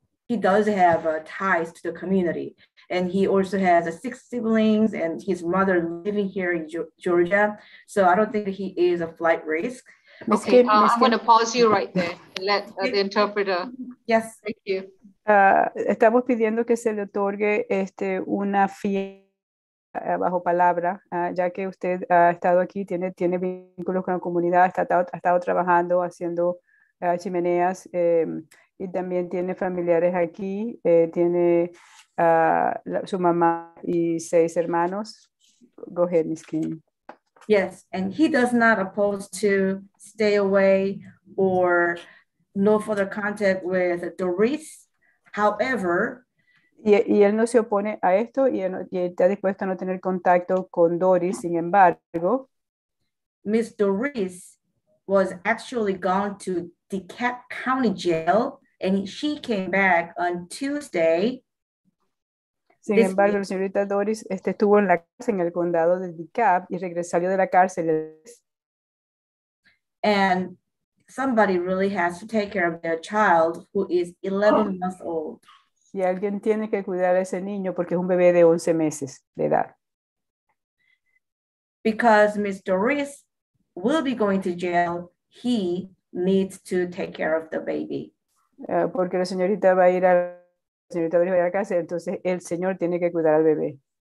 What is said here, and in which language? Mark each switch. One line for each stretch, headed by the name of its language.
English: He does have ties to the community. And he also has six siblings and his mother living here in Georgia. So I don't think he is a flight risk. Okay, I'm going to pause you right there and let the interpreter. Yes. Thank you.
Spanish: Estamos pidiendo que se le otorgue una fianza bajo palabra, ya que usted ha estado aquí, tiene vínculos con la comunidad, ha estado trabajando, haciendo chimeneas, y también tiene familiares aquí, tiene su mamá y seis hermanos.
English: Go ahead, Ms. King. Yes, and he does not oppose to stay away or no further contact with Doris. However,
Spanish: y él no se opone a esto y está dispuesto a no tener contacto con Doris. Sin embargo,
English: Miss Doris was actually gone to DeKalb County Jail and she came back on Tuesday.
Spanish: Sin embargo, la señorita Doris estuvo en la cárcel en el condado de DeKalb y regresó de la cárcel.
English: And somebody really has to take care of their child who is 11 months old.
Spanish: Y alguien tiene que cuidar a ese niño porque es un bebé de 11 meses de edad.
English: Because Miss Doris will be going to jail, he needs to take care of the baby.
Spanish: Porque la señorita va a ir a la señorita Doris va a ir a la cárcel, entonces el señor tiene que cuidar al bebé.